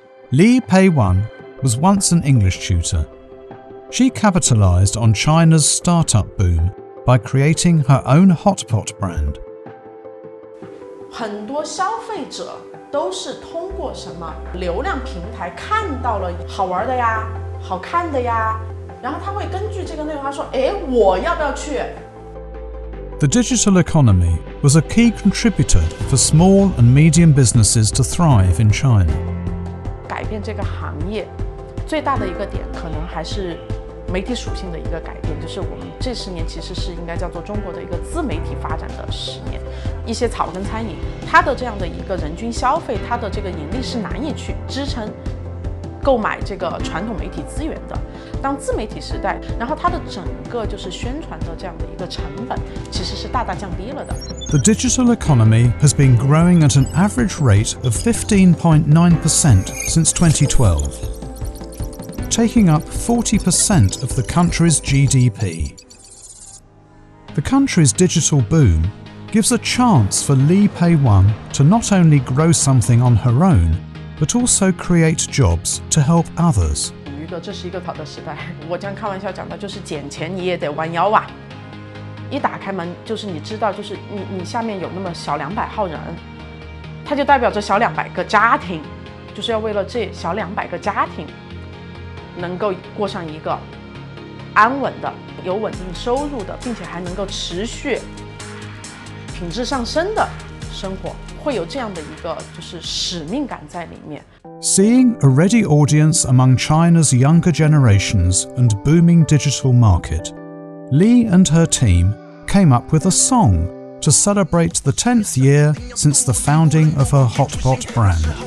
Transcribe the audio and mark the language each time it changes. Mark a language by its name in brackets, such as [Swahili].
[English] Li Peiwan was once an English tutor. She capitalized on China's startup boom by creating her own hotpot brand. [Chinese] 很多消费者都是通过什么流量平台看到了好玩的呀，好看的呀，然后他会根据这个内容，他说：“哎，我要不要去？” [English] The digital economy was a key contributor for small and medium businesses to thrive in China. [Chinese] 改变这个行业最大的一个点，可能还是媒体属性的一个改变，就是我们这十年其实是应该叫做中国的一个自媒体发展的十年。一些草根餐饮，它的这样的一个人均消费，它的这个盈利是难以去支撑购买这个传统媒体资源的。当自媒体时代，然后它的整个就是宣传的这样的一个成本其实是大大降低了的。 [English] The digital economy has been growing at an average rate of 15.9% since 2012, taking up 40% of the country's GDP. The country's digital boom gives a chance for Li Peiwan to not only grow something on her own, but also create jobs to help others. [Chinese] 这是一个好的时代，我将开玩笑讲的就是捡钱你也得弯腰啊，一打开门就是你知道，就是 你下面有那么小两百号人，它就代表着小两百个家庭，就是要为了这小两百个家庭能够过上一个安稳的有稳定收入的并且还能够持续品质上升的生活，会有这样的一个就是使命感在里面。 [English] Seeing a ready audience among China's younger generations and booming digital market, Li and her team came up with a song to celebrate the 10th year since the founding of her hotpot brand.